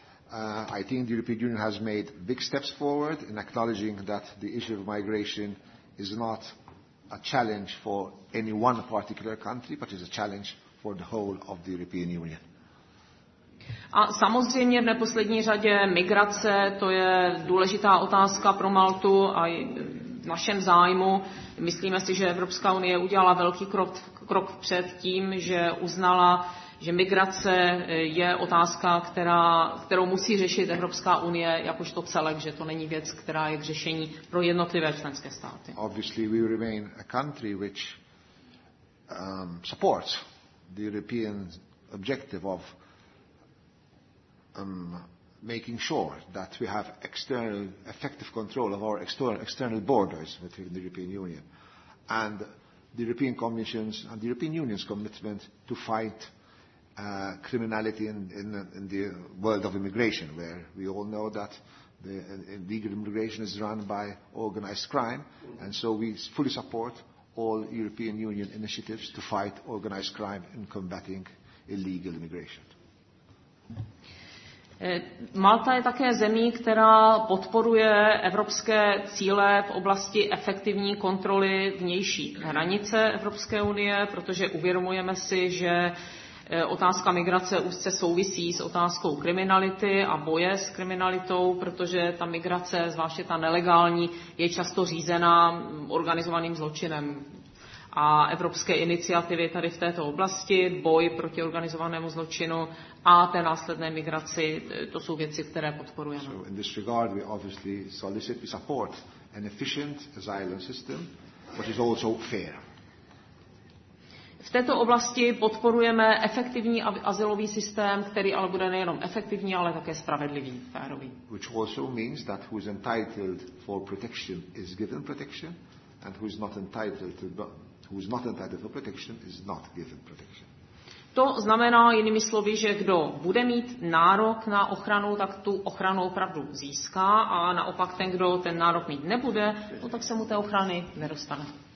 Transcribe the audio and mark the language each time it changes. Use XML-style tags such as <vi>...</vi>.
<en>I think the European Union has made big steps forward in acknowledging that the issue of migration is not a challenge for any one particular country, but is a challenge for the whole of the European Union.</en> <cs>A samozřejmě v neposlední řadě migrace, to je důležitá otázka pro Maltu a v našem zájmu. Myslíme si, že Evropská unie udělala velký krok vpřed tím, že uznala, že migrace je otázka, kterou musí řešit Evropská unie jakožto celek, že to není věc, která je k řešení pro jednotlivé členské státy.</cs> <en>Obviously we remain a country which supports the European objective of making sure that we have external effective control of our external borders within the European Union, and the European Commission's and the European Union's commitment to fight criminality in the world of immigration, where we all know that the illegal immigration is run by organized crime, and so we fully support all European Union initiatives to fight organized crime in combating illegal immigration.</en> <cs>Malta je také zemí, která podporuje evropské cíle v oblasti efektivní kontroly vnější hranice Evropské unie, protože uvědomujeme si, že otázka migrace úzce souvisí s otázkou kriminality a boje s kriminalitou, protože ta migrace, zvláště ta nelegální, je často řízená organizovaným zločinem. A evropské iniciativy tady v této oblasti, boj proti organizovanému zločinu a té následné migraci, to jsou věci, které podporujeme.</cs> <en>So in this regard we obviously solicit, we support an efficient asylum system, which is also fair.</en> <cs>V této oblasti podporujeme efektivní azylový systém, který ale bude nejenom efektivní, ale také spravedlivý, férový.</cs> <en>Which also means that who is entitled for protection is given protection, and who is not entitled to, who is not entitled for protection is not given protection.</en> <cs>To znamená jinými slovy, že kdo bude mít nárok na ochranu, tak tu ochranu opravdu získá, a naopak ten, kdo ten nárok mít nebude, no, tak se mu té ochrany nedostane.</cs>